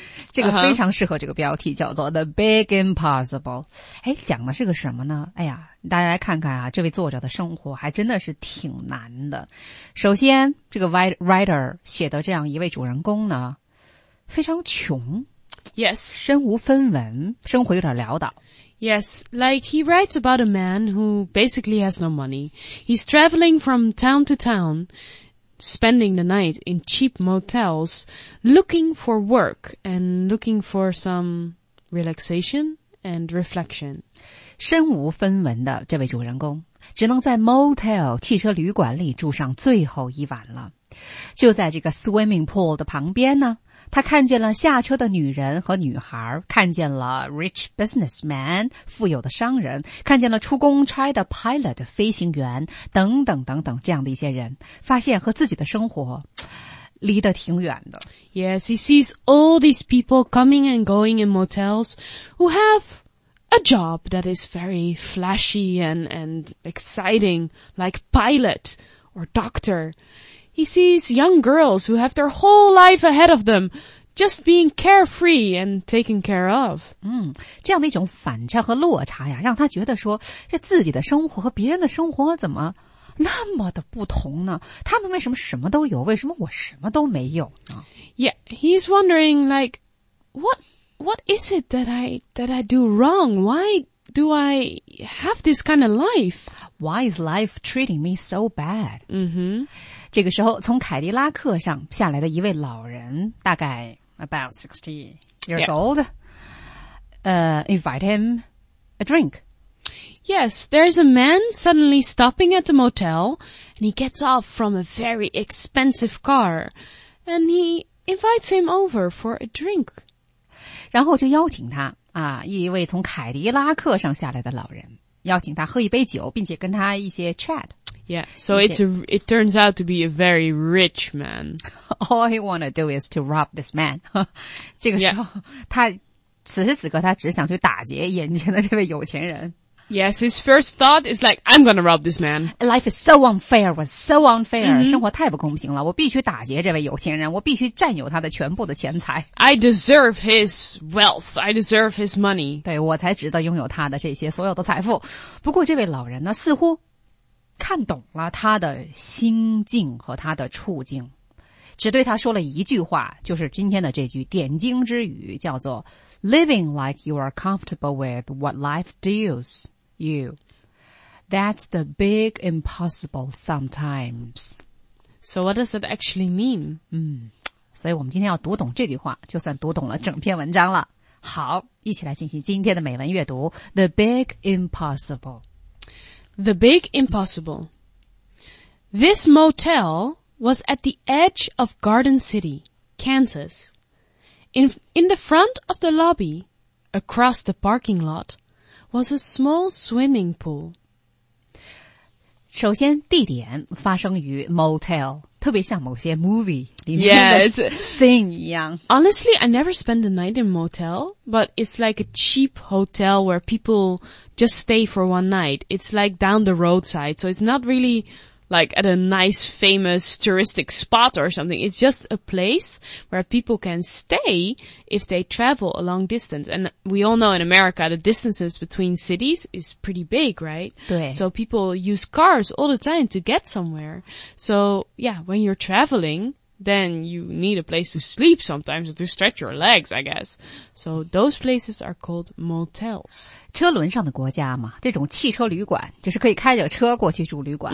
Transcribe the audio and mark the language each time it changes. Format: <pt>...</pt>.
<zh>这个非常适合这个标题叫做 The Big Impossible. 诶讲的是个什么呢哎呀大家来看看啊这位作者的生活还真的是挺难的。首先这个 writer 写的这样一位主人公呢非常穷。</zh> <en>Yes.</en> <zh>身无分文生活有点潦倒。</zh> <en>Yes, like he writes about a man who basically has no money. He's traveling from town to town, spending the night in cheap motels, looking for work and looking for some relaxation and reflection.</en> <zh>身无分文的这位主人公只能在 motel 汽车旅馆里住上最后一晚了。就在这个 swimming pool 的旁边呢他看见了下车的女人和女孩看见了 rich businessman, 富有的商人看见了出公差的 pilot 飞行员等等等等这样的一些人发现和自己的生活离得挺远的。</zh> <en>Yes, he sees all these people coming and going in motels who haveA job that is very flashy and exciting, like pilot or doctor. He sees young girls who have their whole life ahead of them, just being carefree and taken care of.</en> <zh>这样的一种反差和落差呀，让他觉得说，这自己的生活和别人的生活怎么那么的不同呢？他们为什么什么都有，为什么我什么都没有呢？</zh> <en>Yeah, he's wondering, like, What is it that I do wrong? Why do I have this kind of life? Why is life treating me so bad? 嗯哼。</en> <zh>这个时候从凯迪拉克上下来的一位老人大概</zh> <en>about 60 years old. Invite him a drink. Yes, there's a man suddenly stopping at the motel and he gets off from a very expensive car and he invites him over for a drink.</en> <zh>然后就邀请他啊，一位从凯迪拉克上下来的老人邀请他喝一杯酒并且跟他一些 chat</zh> <en>Yeah, so it turns out to be a very rich man. All he want to do is to rob this man.</en> <zh>这个时候、</zh> <en>yeah.</en> <zh>他此时此刻他只想去打劫眼前的这位有钱人。</zh> <en>Yes, his first thought is like, I'm going to rob this man. Life is so unfair, was so unfair.</en> <zh>生活太不公平了，我必须打劫这位有钱人，我必须占有他的全部的钱财。</zh> <en>I deserve his wealth, I deserve his money.</en> <zh>对，我才值得拥有他的这些所有的财富。不过这位老人呢，似乎看懂了他的心境和他的处境，只对他说了一句话，就是今天的这句点睛之语，叫做</zh> <en>Living like you are comfortable with what life deals you. That's the big impossible sometimes. So what does it actually mean?</en> <zh>所以我们今天要读懂这句话，就算读懂了整篇文章了。好，一起来进行今天的美文阅读。</zh> <en>The big impossible. The big impossible. This motel was at the edge of Garden City, Kansas. In the front of the lobby, across the parking lot, was a small swimming pool.</en> <zh>首先地点发生于 motel, 特别像某些 movie 里面的 scene 一样。</zh> <en>Yes. Honestly, I never spend the night in motel, but it's like a cheap hotel where people just stay for one night. It's like down the roadside, so it's not really... Like at a nice famous touristic spot or something. It's just a place where people can stay if they travel a long distance. And we all know in America, the distances between cities is pretty big, right?</en> <zh>对。</zh> <en>So people use cars all the time to get somewhere. So yeah, when you're traveling, then you need a place to sleep sometimes or to stretch your legs, I guess. So those places are called motels.</en> <zh>车轮上的国家嘛，这种汽车旅馆就是可以开着车过去住旅馆、</zh>